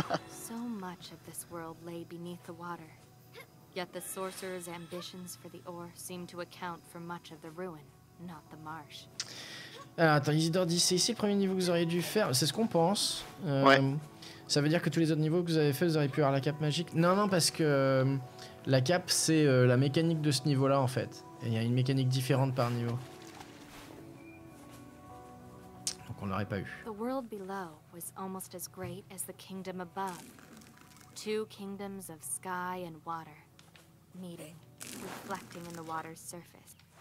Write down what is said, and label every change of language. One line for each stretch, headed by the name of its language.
English: So much of this world lay beneath the water. Yet the sorcerer's ambitions for the ore seem to account for much of the ruin, not the marsh.
French: Alors, attends, Isidore dit, c'est ici le premier niveau que vous auriez dû faire. C'est ce qu'on pense. Ouais. Ça veut dire que tous les autres niveaux que vous avez fait, vous auriez pu avoir la cape magique. Non, parce que la cape, c'est la mécanique de ce niveau-là, en fait. Il y a une mécanique différente par niveau. Donc on l'aurait pas eu.
English: The world below was almost as great as the kingdom above. Two kingdoms of sky and water meeting, reflecting in the water's surface.